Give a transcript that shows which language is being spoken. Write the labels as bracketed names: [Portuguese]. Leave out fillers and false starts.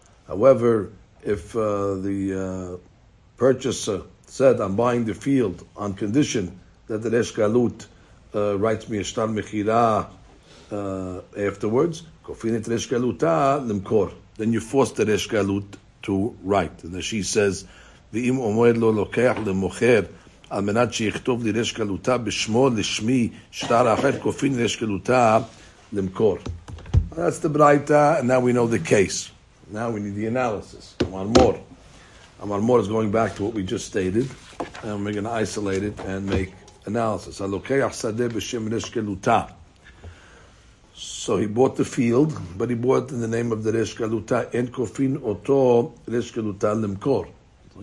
[English] However, if the purchaser said, "I'm buying the field on condition that the Resh Galut writes me a shtar mechira afterwards," [Hebrew] kofinet Resh Galuta limkor. [English] Then you force the Resh Galut to write, and then she says, [Hebrew] "V'im omer lo lokeach lemocher." על מנת שיכתוב לי רש גלותה בשמו לשמי שטר אחר כופין רש גלותה למכור. [English] That's the braita, and now we know the case. Now we need the analysis. [Hebrew] Amar Mor. Amar Mor [English] is going back to what we just stated, and we're going to isolate it and make analysis. [Hebrew] הלוקח שדה בשם רש גלותה. [English] So he bought the field, but he bought it in the name of the רש גלותה. [Hebrew] אין כופין אותו רש גלותה למכור.